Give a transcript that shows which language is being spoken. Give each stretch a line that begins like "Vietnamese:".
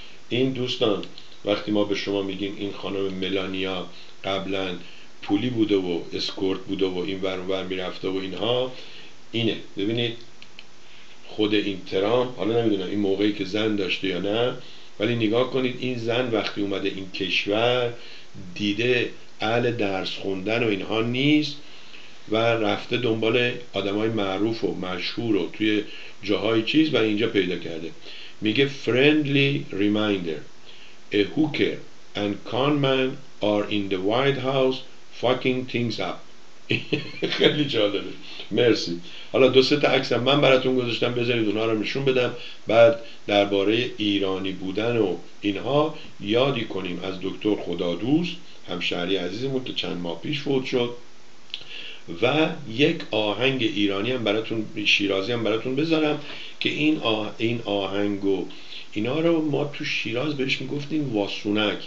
Persian: این دوستان وقتی ما به شما میگیم این خانم ملانیا قبلا پولی بوده و اسکورت بوده و این ور ور میرفته و اینها، اینه ببینید خود این ترامپ، حالا نمیدونم این موقعی که زن داشته یا نه، ولی نگاه کنید این زن وقتی اومده این کشور دیده اهل درس خوندن و اینها نیست و رفته دنبال آدمای معروف و مشهور و توی جاهای چیز و اینجا پیدا کرده.
English: میگه friendly reminder a hooker and con man are in the White House fucking things up.
Persian: خیلی جالبه، مرسی. حالا دو سه تا عکس هم من براتون گذاشتم، بذارید اونها رو نشون بدم، بعد درباره ایرانی بودن و اینها یادی کنیم از دکتر خدادوست، همشهری عزیزمون که چند ماه پیش فوت شد، و یک آهنگ ایرانی هم براتون، شیرازی هم براتون بذارم که این آهنگ و اینا رو ما تو شیراز بهش میگفتیم واسونک.